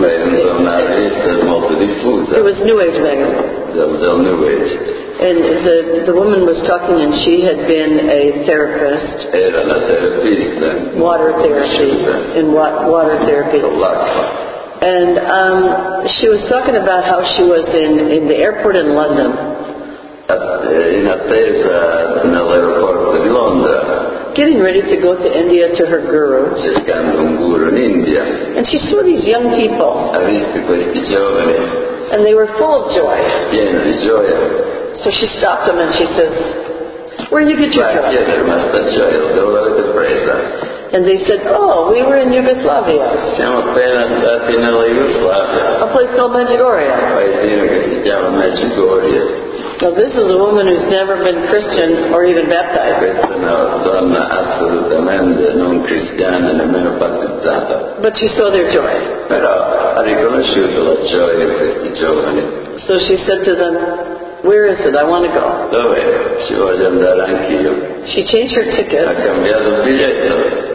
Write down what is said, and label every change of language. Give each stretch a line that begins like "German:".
Italian: Beh, una rivista molto diffusa.
English: It was New Age magazine.
Italian: Del New Age.
English: And the woman was talking, and she had been a therapist.
Italian: Era la terapista.
English: Water therapy. In water therapy. And she was talking about how she was in the airport in London.
Italian: In attesa nell'aeroporto di Londra.
English: Getting ready to go to India to her guru.
Italian: Cercando un guru in India.
English: And she saw these young people.
Italian: Ha visto questi giovani.
English: And they were full of joy.
Italian: Pieni di gioia.
English: So she stopped him and she says, "Where did you get your job?" And they said, "Oh, we were in Yugoslavia."
Italian: Siamo appena stati nella Yugoslavia.
English: A place called Medjugorje.
Italian: Paesino che si chiama Medjugorje.
English: Now this is a woman who's never been Christian or even baptized.
Italian: Questa è una donna assolutamente non cristiana, nemmeno battezzata.
English: But she saw their joy.
Italian: Però ha riconosciuto la gioia di questi giovani.
English: So she said to them, "Where is it? I want to go."
Italian: Dove? Ci voglio andare anch'io.
English: She changed her ticket.
Italian: Ha cambiato il biglietto.